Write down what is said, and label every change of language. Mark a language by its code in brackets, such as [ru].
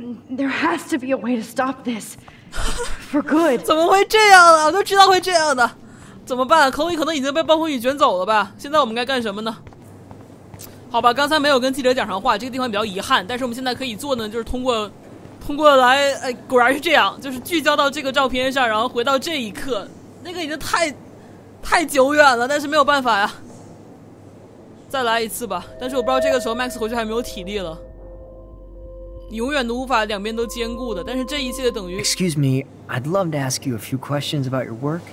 [en] There has to be a way to stop this. For good. [zh] 怎么会这样啊？我都知道会这样的。怎么办？可能你可能已经被暴风雨卷走了吧？现在我们该干什么呢？好吧，刚才没有跟记者讲上话，这个地方比较遗憾。但是我们现在可以做呢，就是通过来，哎，果然是这样，就是聚焦到这个照片上，然后回到这一刻。那个已经太久远了，但是没有办法呀。再来一次吧。但是我不知道这个时候 Max 回去还没有体力了。你永远都无法两边都兼顾的。但是这一切等于 [en] Excuse me, I'd love to ask you a few questions about your work.